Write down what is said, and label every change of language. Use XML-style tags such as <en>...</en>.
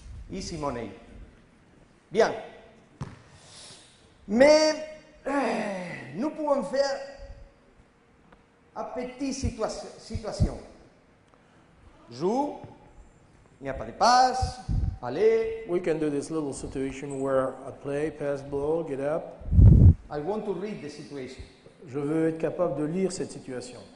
<en>Easy money.</en> <fr>Bien. Mais nous pouvons faire une petite situation. Joue, il n'y a pas de passe, allez.</fr> <en>We can do this little situation where I play, pass ball, get up. I want to read the situation.</en> <fr>Je veux être capable de lire cette situation.</fr>